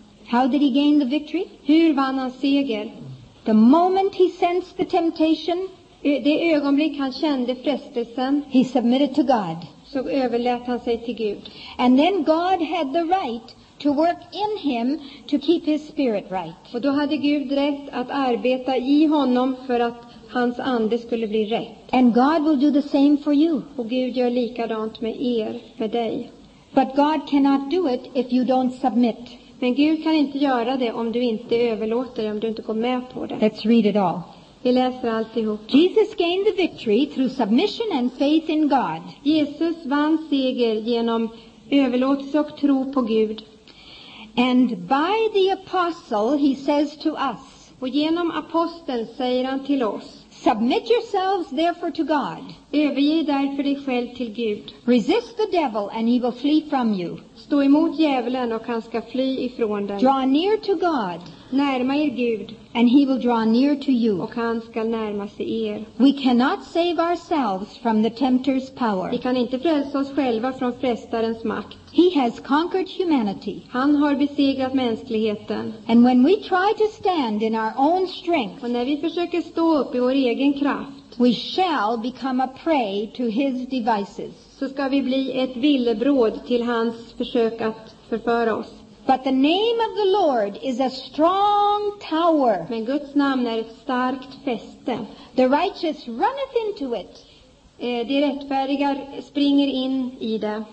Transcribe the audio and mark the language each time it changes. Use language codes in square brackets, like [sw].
[en] How did he gain the victory? [sv] Hur vann han seger? [en] The moment he sensed the temptation. [sv] Det ögonblick han kände frestelsen. [en] He submitted to God. [sv] Så överlät han sig till Gud. [en] And then God had the right to work in him to keep his spirit right. [sv] Och då hade Gud rätt att arbeta i honom för att hans ande skulle bli rätt. [en] And God will do the same for you. [sv] Och Gud gör likadant med er, med dig. [en] But God cannot do it if you don't submit. [sv] Men Gud kan inte göra det om du inte överlåter det, om du inte går med på det. [en] Let's read it all. [sv] Vi läser alltihop. [en] Jesus gained the victory through submission and faith in God. [sv] Jesus vann seger genom överlåtelse och tro på Gud. [en] And by the apostle he says to us. [sv] Och genom aposteln säger han till oss. [en] Submit yourselves therefore to God. [sv] Överge därför dig själv till Gud. [en] Resist the devil and he will flee from you. [sv] Stå emot djävulen och han ska fly ifrån dig. [en] Draw near to God. [sv] Närma er Gud. [en] And he will draw near to you. [sv] Och han ska närma sig er. [en] We cannot save ourselves from the tempter's power. [sv] Vi kan inte frälsa oss själva från frestarens makt. [en] He has conquered humanity. [sv] Han har besegrat mänskligheten. [en] And when we try to stand in our own strength. [sv] Och när vi försöker stå upp i vår egen kraft. [en] We shall become a prey to his devices. [sv] Så ska vi bli ett villebråd till hans försök att förföra oss. [en] But the name of the Lord is a strong tower. [sv] Men Guds namn är ett starkt fäste. [en] The righteous runneth into it. [sv] De rättfärdiga springer in i det.